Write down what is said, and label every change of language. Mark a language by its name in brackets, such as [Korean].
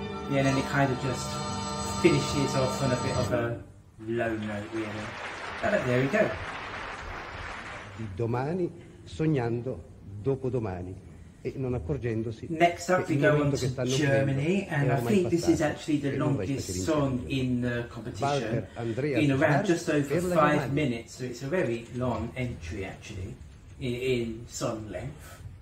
[English] Yeah, and then it kind of just finishes off on a bit of a low note, really. But there we go. [Italian] Domani, sognando, dopo domani. Non accorgendosi. [English] Next up we go on to Germany, and I think this is actually the longest song in the competition, in around just over 5 minutes, so it's a very long entry actually, in song length.